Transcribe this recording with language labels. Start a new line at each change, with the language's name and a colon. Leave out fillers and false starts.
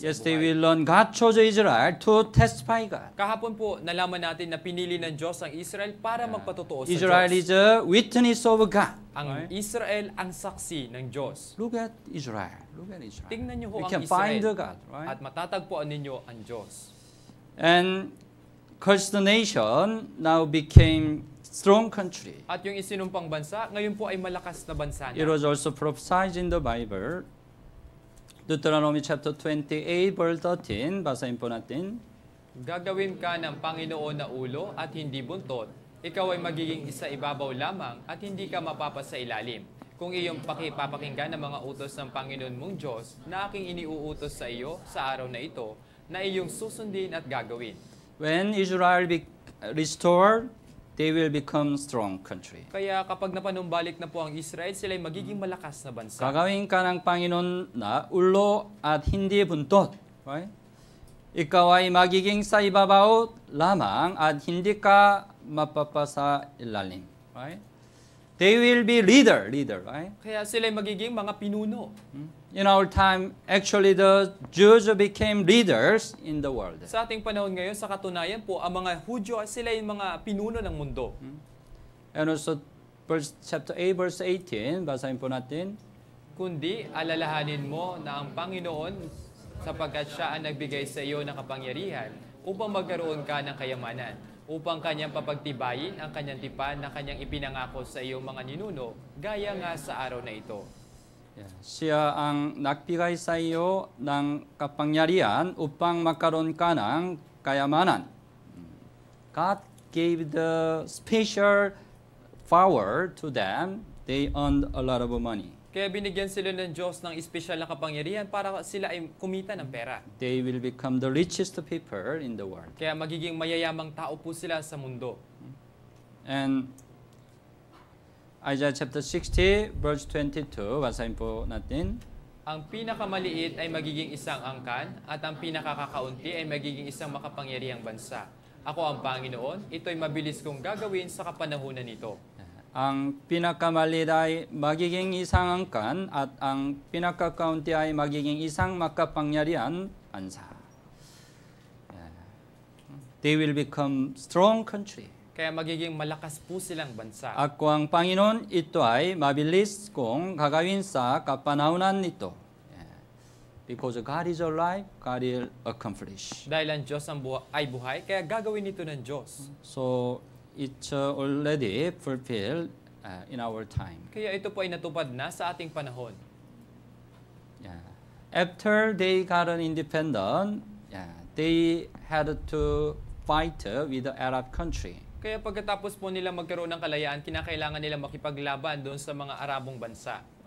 English: yes, they will learn God chose Israel to testify God.
Filipino: Kahapon po, nalaman natin na pinili ng Diyos ang Israel para magpatotoo sa
English: Israel
Filipino: Diyos.
English: Israel is a witness of God. Right?
Filipino: Ang Israel ang saksi ng Diyos.
English: Look at Israel. Look at Israel.
Filipino: Tingnan niyo ho
English: we
Filipino: ang
English: can
Filipino: Israel
English: find the God, right?
Filipino: At matatagpuan ninyo ang Diyos.
English: And cursed nation now became strong country.
Filipino: At yung isinumpang bansa ngayon po ay malakas na bansa na.
English: It was also prophesied in the Bible, Deuteronomy chapter 28 verse 13,
Filipino: basahin po natin. Gagawin ka ng Panginoon na ulo at hindi buntot. Ikaw ay magiging isa ibabaw lamang at hindi ka mapapasa ilalim. Kung iyong pakipapakinggan ang mga utos ng Panginoon mong Diyos na aking iniuutos sa iyo sa araw na ito, na iyong susundin at gagawin.
English: When Israel be restored, they will become strong country.
Filipino: Kaya kapag napanumbalik na po ang Israel, sila ay magiging malakas na bansa. Gagawin ka ng Panginoon na ulo at hindi buntot.
English: Right?
Filipino: Ikaw ay magiging sa ibabaw lamang at hindi ka mapapasa ilalim.
English: Right? They will be leader. Right?
Filipino: Kaya sila ay magiging mga pinuno.
English: In our time, actually the Jews became leaders in the world.
Filipino: Sa ating panahon ngayon, sa katunayan po, ang mga Hudyo, sila yung mga pinuno ng mundo.
English: And also, chapter 8, verse 18,
Filipino: basahin po natin. Kundi alalahanin mo na ang Panginoon, sapagkat siya ang nagbigay sa iyo ng kapangyarihan, upang magkaroon ka ng kayamanan, upang kanyang papagtibayin ang kanyang tipan na kanyang ipinangako sa iyong mga ninuno, gaya nga sa araw na ito. Siya ang nagbigay sa iyo ng kapangyarihan upang magkaroon ka ng kayamanan.
English: God gave the special power to them. They earned a lot of money.
Filipino: Kaya binigyan sila ng Diyos ng special na kapangyarihan para sila ay kumita ng pera.
English: They will become the richest people in the world.
Filipino: Kaya magiging mayayamang tao po sila sa mundo.
English: And Isaiah chapter 60, verse 22,
Filipino: basahin po natin. Ang pinakamaliit ay magiging isang angkan, at ang pinakakakaunti ay magiging isang makapangyariang bansa. Ako ang Panginoon, ito'y mabilis kong gagawin sa kapanahunan nito. Ang pinakamaliit ay magiging isang angkan, at ang pinakakaunti ay magiging isang makapangyariang bansa.
English: They will become strong country.
Filipino: Kaya magiging malakas po silang bansa. Ako ang Panginoon, ito ay mabilis kong gagawin sa kapanahunan nito.
English: Because God is alive, God will accomplish.
Filipino: Dahil ang Diyos ay buhay, kaya gagawin ito ng Diyos.
English: So, it's already fulfilled in our time.
Filipino: Kaya ito po ay natupad na sa ating panahon.
English: Yeah. After they got an independent, yeah, they had to fight with the Arab country.
Filipino: Kaya pagkatapos po nila magkaroon ng kalayaan, kinakailangan nila makipaglaban doon sa mga Arabong bansa.